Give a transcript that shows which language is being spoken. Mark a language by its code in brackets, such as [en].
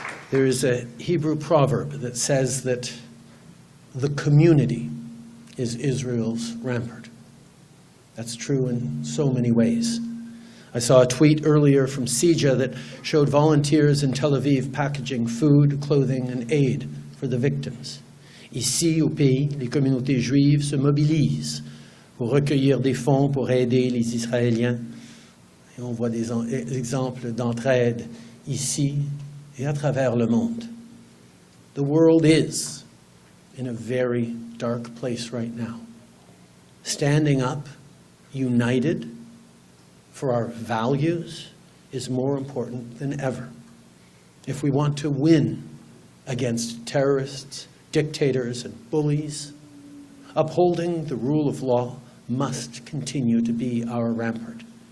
[en] There is a Hebrew proverb that says that the community is Israel's rampart. That's true in so many ways. I saw a tweet earlier from Sija that showed volunteers in Tel Aviv packaging food, clothing, and aid for the victims. [fr] Ici, au pays, les communautés juives se mobilisent pour recueillir des fonds pour aider les Israéliens. Et on voit des exemples d'entraide ici et à travers le monde. [en] The world is in a very dark place right now. Standing up, united, for our values is more important than ever. If we want to win against terrorists, dictators, and bullies, upholding the rule of law must continue to be our rampart.